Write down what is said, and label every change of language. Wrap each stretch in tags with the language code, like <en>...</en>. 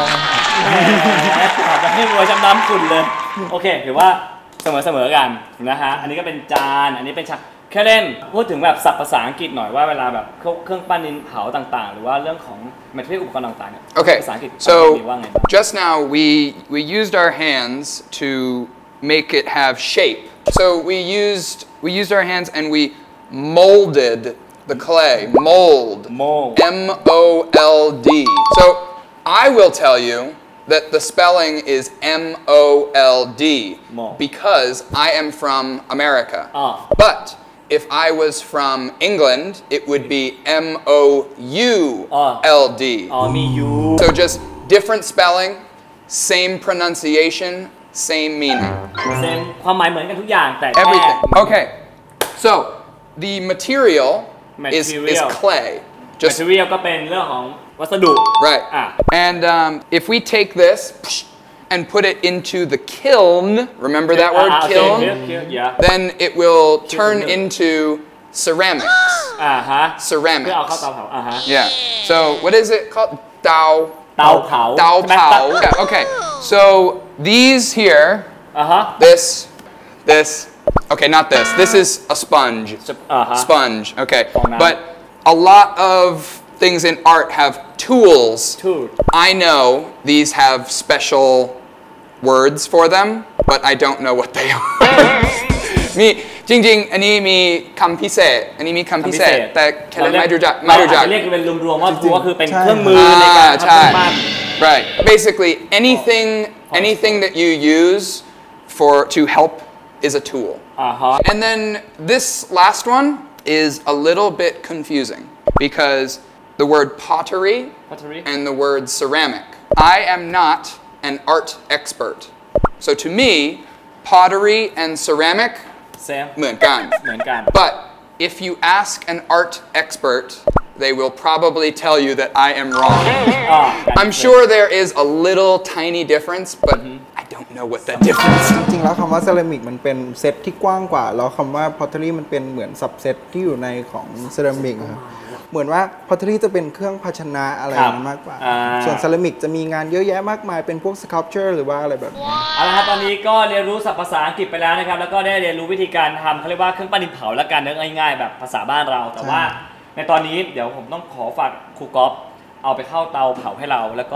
<th>ครับจะให้รวยจำน้ำคุณเลยโอเคถือว่าเสมอกันนะฮะอันนี้ก็เป็นจานอันนี้เป็นฉากแค่เล่นพูดถึงแบบศัพท์ภาษาอังกฤษหน่อยว่าเวลาแบบเครื่องปั้นดินเผาต่างๆหรือว่าเรื่องของแมทเทียลอุปกรณ์ต่างๆเนี่ย โอเค ภาษาอังกฤษ มีว่าไง</th> <en>just now we used our hands to make it have shape so we used our hands and we molded the clay mold mold so I will tell youThat the spelling is M-O-L-D because I am from America. But if I was from England, it would be M-O-U-L-D. So just different spelling, same pronunciation, same meaning. Everything. Okay. So the material is clay.</en> <th>Material ก็เป็นเรื่องของวัสดุ</th> <en>right and if we take this and put it into the kiln remember that word kiln then it will turn into ceramics ceramics yeah so what is it called</en> <th>เตาเผา</th> <en>yeah, okay so these here this okay not this is a sponge sponge okay but a lot ofthings in art have tools. I know these have special words for them, but I don't know what they are.</en> <th>มีจริงๆอันนี้มีคำพิเศษอันนี้มีคำพิเศษแต่แค่ไม่รู้จัก เรียกเป็นรวมๆว่าตัวคือเป็นเครื่องมือในการทำมัน</th> <en>right basically anything that you use for to help is a tool and then this last one is a little bit confusing becauseThe word pottery and the word ceramic. I am not an art expert. So to me, pottery and ceramic,</en> <th>เหมือนกัน.</th> <en>But if you ask an art expert, they will probably tell you that I am wrong. I'm sure there is a little tiny difference, but I don't know what that difference</en> <th>is. จริงๆแล้วคำว่าเซรามิกมันเป็นเซตที่กว้างกว่าแล้วคำว่าพอตเทอรี่มันเป็นเหมือนสับเซตที่อยู่ในของเซรามิกครับเหมือนว่าพอตเทอรี่จะเป็นเครื่องภาชนะอะไรนั้นมากกว่ า ส่วนเซรามิกจะมีงานเยอะแยะมากมายเป็นพวกสคัลปเจอร์หรือว่าอะไรแบบนี้เอาละครับตอนนี้ก็เรียนรู้ศัพท์ภาษาอังกฤษไปแล้วนะครับแล้วก็ได้เรียนรู้วิธีการทำเขาเรียกว่าเครื่องปั้นดินเผาละกันเนื้อง่ายๆแบบภาษาบ้านเราแต่ว่าในตอนนี้เดี๋ยวผมต้องขอฝากครูก๊อฟเอาไปเข้าเตาเผาให้เราแล้วก</th>